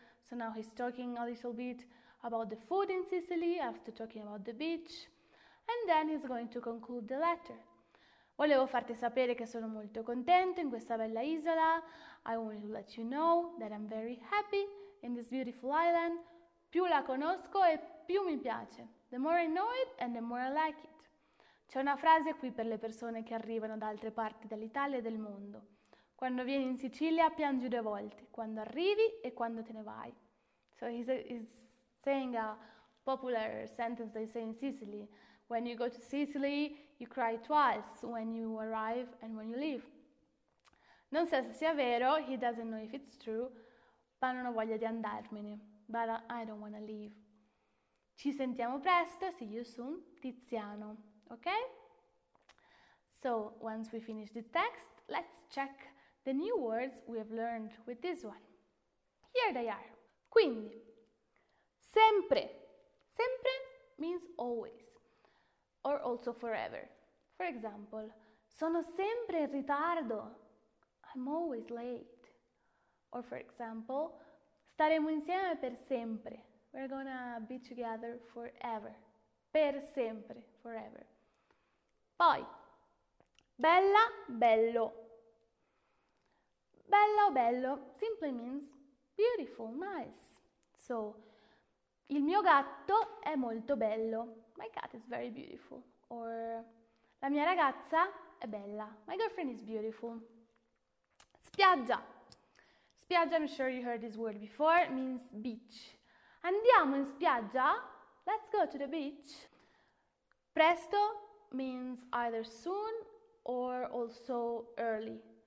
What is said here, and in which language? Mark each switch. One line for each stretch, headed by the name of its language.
English: So now he's talking a little bit about the food in Sicily after talking about the beach, and then he's going to conclude the letter.
Italian: Volevo farti sapere che sono molto contento in questa bella isola.
English: I want to let you know that I'm very happy in this beautiful island.
Italian: Più la conosco e più mi piace.
English: The more I know it and the more I like it.
Italian: C'è una frase qui per le persone che arrivano da altre parti dell'Italia e del mondo. Quando vieni in Sicilia piangi due volte, quando arrivi e quando te ne vai.
English: So he's saying a popular sentence they say in Sicily. When you go to Sicily, you cry twice, when you arrive and when you leave.
Italian: Non so se sia vero,
English: he doesn't know if it's true,
Italian: ma non ho voglia di andarmene.
English: But I don't want to leave.
Italian: Ci sentiamo presto,
English: see you soon,
Italian: Tiziano.
English: Okay? So, once we finish the text, let's check the new words we have learned with this one. Here they are.
Italian: Quindi, sempre.
English: Sempre means always. Or also forever. For example,
Italian: sono sempre in ritardo.
English: I'm always late. Or for example,
Italian: staremo insieme per sempre.
English: We're gonna be together forever.
Italian: Per sempre,
English: forever.
Italian: Poi, bella, bello.
English: Bella o bello simply means beautiful, nice.
Italian: So, il mio gatto è molto bello.
English: My cat is very beautiful.
Italian: Or, la mia ragazza è bella.
English: My girlfriend is beautiful.
Italian: Spiaggia.
English: Spiaggia, I'm sure you heard this word before, means beach.
Italian: Andiamo in spiaggia?
English: Let's go to the beach. Presto means either soon or also early.